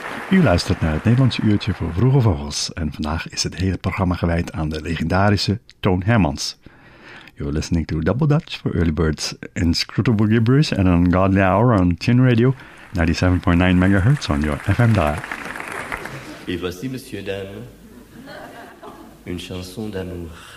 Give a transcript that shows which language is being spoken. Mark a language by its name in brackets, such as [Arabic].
[Dutch] U luistert naar het Nederlandse uurtje voor Vroege Vogels en vandaag is het hele programma gewijd aan de legendarische Toon Hermans. [English] You're listening to Double Dutch for Early Birds, Inscrutable Gibberish and Ungodly Hour on Chin Radio, 97.9 MHz on your FM dial. [French] Et voici, monsieur, dame, une chanson d'amour.